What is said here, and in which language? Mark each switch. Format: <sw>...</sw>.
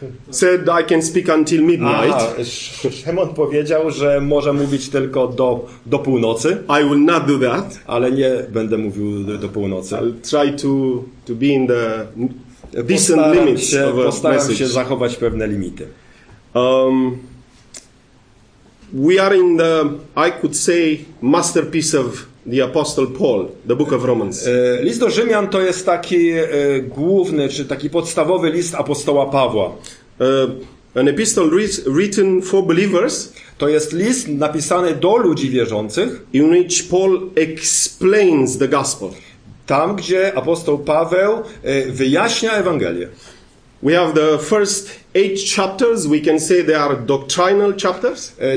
<en>said I can speak until midnight.</en> <pl>Szymon powiedział, że może mówić tylko do północy.</pl> <en>I will not do that.</en> <pl>Ale nie będę mówił do północy.</pl> <en>I'll try to be in the decent limits of a message.</en> <pl>Postaram się zachować pewne limity.</pl> <en>We are in the, I could say, masterpiece of the Apostle Paul, the Book of Romans.</en> <pl>List do Rzymian to jest taki główny, czy taki podstawowy list apostoła Pawła.</pl> <en>An epistle written for believers.</en> <pl>To jest list napisany do ludzi wierzących.</pl> <en>In which Paul explains the gospel.</en> <pl>Tam, gdzie apostoł Paweł wyjaśnia Ewangelię.</pl> <en>We have the first 8 chapters. We can say they are doctrinal chapters.</en>